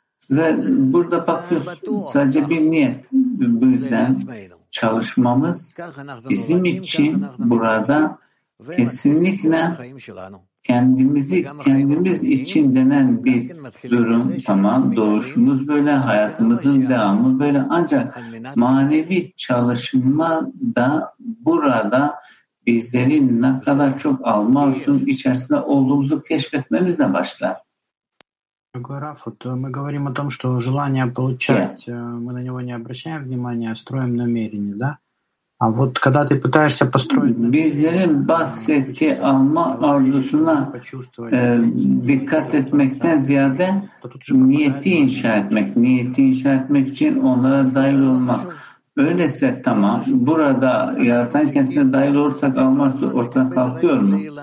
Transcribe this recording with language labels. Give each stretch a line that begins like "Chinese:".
Turkish: Ve burada bakıyoruz sadece bir niyet. Bu yüzden çalışmamız bizim için burada kesinlikle kendimizi kendimiz için denen bir durum. Tamam, doğuşumuz böyle, hayatımızın devamı böyle. Ancak manevi çalışma da burada bizlerin ne kadar çok alma arzusunun içerisinde olduğumuzu keşfetmemizle başlar.
Russian: Раф, вот мы говорим о том, что желание получать, мы на него не обращаем внимания, а строим намерение, да? А вот когда ты пытаешься построить
Turkish: намерение, Öyleyse tamam, burada yaratan kendisine dahil olursak alma arzusu ortadan kalkıyor mu?